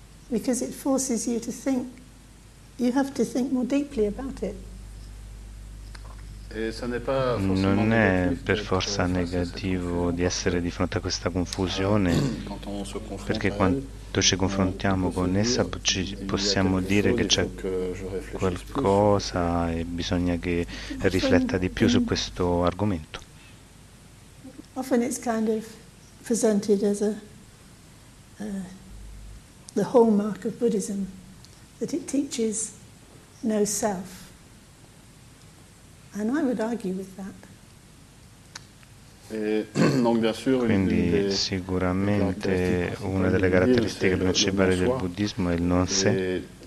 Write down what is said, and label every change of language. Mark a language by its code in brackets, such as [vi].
[en] Because it forces you to think, you have to think more deeply about it. [fr] Et ça n'est pas [it] non è per forza negativo di essere di fronte a questa confusione, perché quando ci confrontiamo con essa possiamo dire che c'è qualcosa e bisogna che rifletta di più su questo argomento. [en] Often it's kind of presented as the hallmark of Buddhism, that it teaches no self. And I would argue with that. [it] Quindi sicuramente una delle caratteristiche principali del buddismo è il non sé.